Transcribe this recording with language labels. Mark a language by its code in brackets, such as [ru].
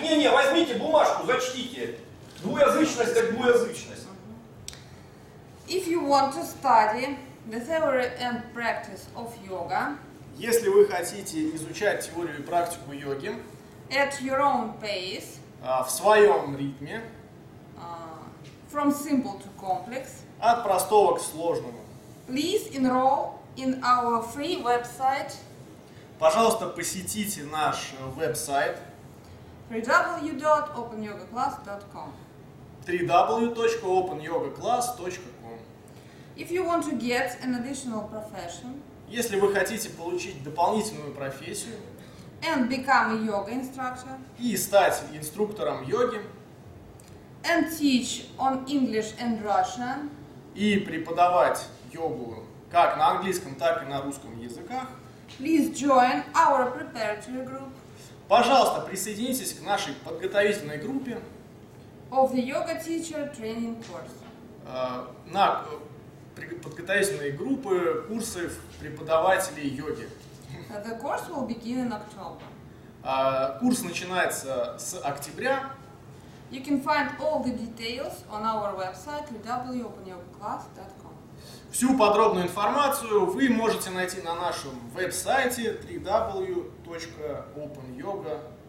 [ru] Не-не, возьмите бумажку, зачтите. Двуязычность так двуязычность. [en] If you want to study the theory and practice of yoga, [ru] если вы хотите изучать теорию и практику йоги, [en] at your own pace, [ru] в своем ритме, [en] from simple to complex, [ru] от простого к сложному. [en] Please enroll in our free website. [ru] Пожалуйста, посетите наш веб-сайт [en] www.openyogaclass.com. www.openyogaclass.com. If you want to get an additional profession, [ru] если вы хотите получить дополнительную профессию, [en] and become a yoga instructor, [ru] и стать инструктором йоги, [en] and teach on English and Russian, [ru] и преподавать йогу как на английском, так и на русском языках, [en] please join our preparatory group. [ru] Пожалуйста, присоединитесь к нашей подготовительной группе [en] of the yoga teacher training course. [ru] На подготовительные группы курсов преподавателей йоги. [en] The course will begin in October. [ru] Курс начинается с октября. [en] You can find all the details on our website www.openyogaclass.com. [ru] Всю подробную информацию вы можете найти на нашем веб-сайте www.openyogaclass.com.